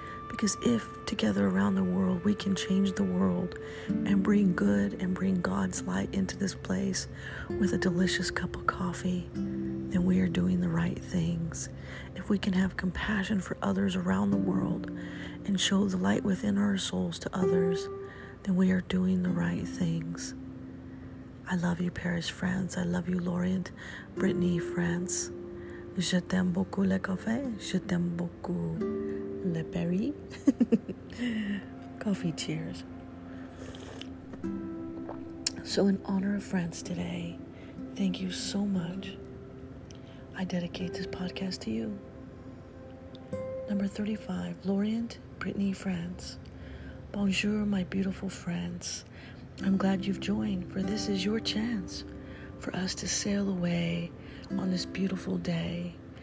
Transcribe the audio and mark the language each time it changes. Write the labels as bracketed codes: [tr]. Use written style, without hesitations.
[en] Because if together around the world we can change the world and bring good and bring God's light into this place with a delicious cup of coffee, then we are doing the right things. If we can have compassion for others around the world and show the light within our souls to others, then we are doing the right things. I love you, Paris, France. I love you, Lorient, Brittany, France. [fr] Je t'aime beaucoup le café. Je t'aime beaucoup le Paris. [en] Coffee cheers. So in honor of France today, thank you so much. I dedicate this podcast to you. Number 35, Lorient, Brittany, France. Bonjour, my beautiful France. I'm glad you've joined, for this is your chance for us to sail away on this beautiful day.